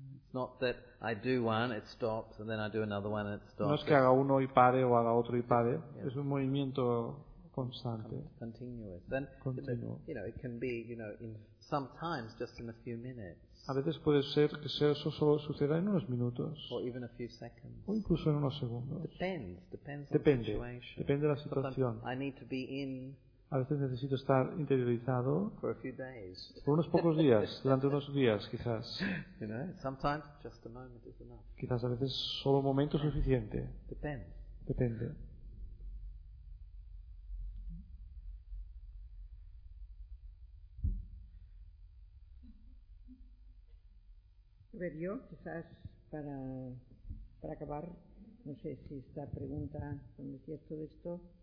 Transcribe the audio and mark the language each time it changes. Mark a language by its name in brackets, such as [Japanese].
[English] Not that I do one, it stops, and then I do another one, and it stops. [Spanish] No es que haga uno y pare o haga otro y pare. Yeah. Es un movimiento constante. [English] Continuous. Then, continuo. You know, it can be, you know, in sometimes just in a few minutes. [Spanish] A veces puede ser que eso solo suceda en unos minutos. [English] Or even a few seconds. [Spanish] O incluso en unos segundos. [English] Depends [Spanish] depende. [English] On the situation. [Spanish] Depende de la situación. [English] I need to be in. [Spanish] A veces necesito estar interiorizado [English] for a few days. [Spanish] Por unos pocos días, durante unos días, quizás. [English] You know, sometimes just a moment is enough. [Spanish] Quizás a veces solo un momento es suficiente. Depende. A ver, yo, quizás para acabar, no sé si esta pregunta, cuando decía todo esto.